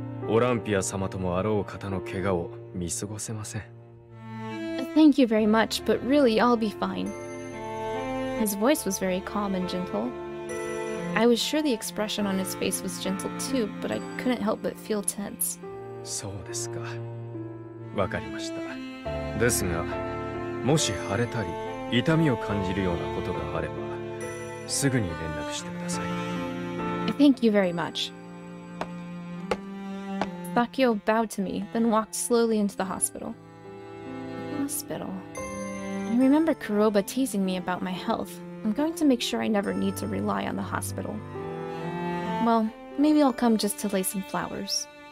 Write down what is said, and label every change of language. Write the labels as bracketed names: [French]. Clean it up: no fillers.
[English] Thank you very much, but really, I'll be fine. His voice was very calm and gentle. I was sure the expression on his face was gentle too, but I couldn't help but feel tense. [Japanese] そうですか。わかりました。ですが、もし腫れたり痛みを感じるようなことがあれば、すぐに連絡してください。 [English] Thank you very much. Bakio bowed to me, then walked slowly into the hospital. Hospital. I remember Kuroba teasing me about my health. I'm going to make sure I never need to rely on the hospital. Well, maybe I'll come just to lay some flowers.